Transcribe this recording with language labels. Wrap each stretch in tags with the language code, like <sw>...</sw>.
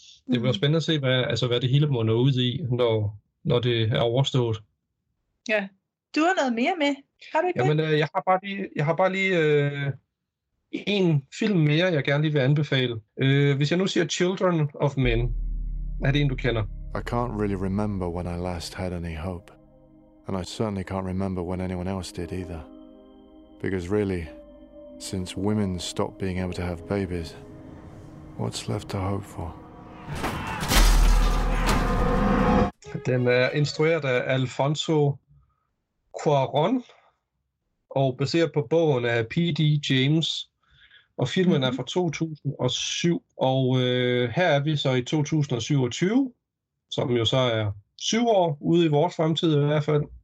<da>Det bliver spændende at se, hvad det hele munder ud i, når det er overstået. Ja, du har noget mere med. Har du ikke? Jamen, jeg har bare lige en film mere, jeg gerne lige vil anbefale. Hvis jeg nu siger Children of Men, er det en, du kender?</da> <en>I can't really remember when I last had any hope. And I certainly can't remember when anyone else did either. Because really, since women stopped being able to have babies, what's left to hope for?</en> <da>Den er instrueret af Alfonso Cuarón og baseret på bogen af P.D. James. Og filmen er fra 2007, og her er vi så i 2027, som jo så er 7 år ude i vores fremtid i hvert fald.</da>